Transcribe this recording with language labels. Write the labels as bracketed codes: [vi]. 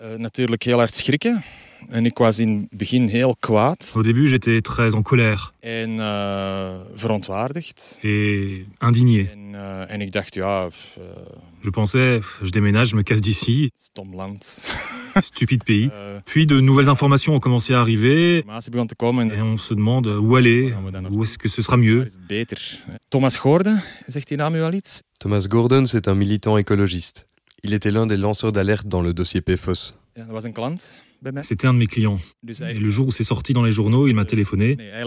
[nl] Natuurlijk heel hard schrikken. En ik was in het begin heel kwaad. [fr] Au début, j'étais très en colère. [nl] En verontwaardigd. [fr] Et indigné. [nl] En ik dacht, ja. [fr] Je pensais, je déménage, je me casse d'ici. [nl] Stom land. [fr] Stupide pays. Puis de nouvelles informations ont commencé à arriver. Et on se demande où aller, où est-ce que ce sera mieux. [nl] Thomas Gordon, zegt die naam u al iets? [fr] Thomas Gordon, c'est un militant écologiste. Il était l'un des lanceurs d'alerte dans le dossier PFOS. [nl] Dat was een klant. [fr] C'était un de mes clients. Et le jour où c'est sorti dans les journaux, il m'a téléphoné.